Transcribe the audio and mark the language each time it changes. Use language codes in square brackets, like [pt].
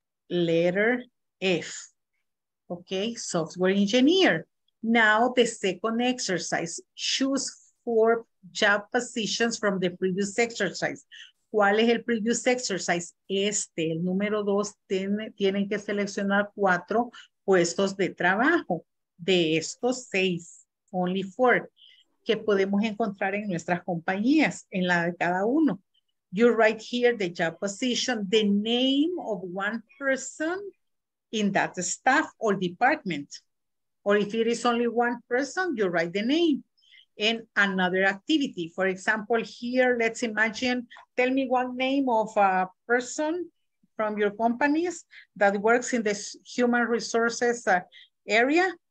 [en] Letter F. Okay, software engineer. Now the second exercise, choose four job positions from the previous exercise. [es] ¿Cuál es el [en] previous exercise? [es] Este, el número dos, tienen que seleccionar cuatro puestos de trabajo. De estos seis, [en] only four, [es] que podemos encontrar en nuestras compañías, en la de cada uno. [en] You write here the job position, the name of one person in that staff or department. Or if it is only one person, you write the name. And another activity, for example, here, let's imagine, tell me one name of a person from your companies that works in the human resources area.